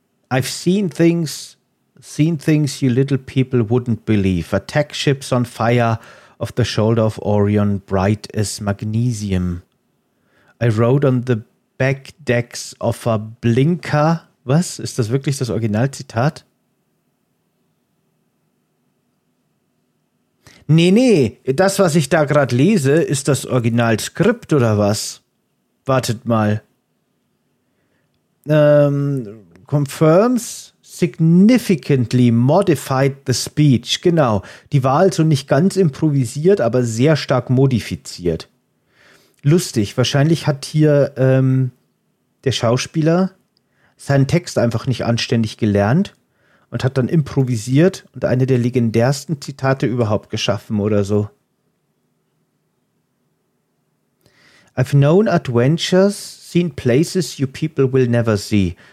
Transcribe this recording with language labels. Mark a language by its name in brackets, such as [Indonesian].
[English] I've seen things you little people wouldn't believe. Attack ships on fire off the shoulder of Orion, bright as magnesium. I rode on the back decks of a blinker. [German] Was? Ist das wirklich das Originalzitat? Nee. Das, was ich da gerade lese, ist das Originalskript oder was? Wartet mal. [English] confirms significantly modified the speech. [German] Genau, die war also nicht ganz improvisiert, aber sehr stark modifiziert. Lustig, wahrscheinlich hat hier der Schauspieler seinen Text einfach nicht anständig gelernt und hat dann improvisiert und eine der legendärsten Zitate überhaupt geschaffen oder so. [English] I've known adventures, seen places you people will never see.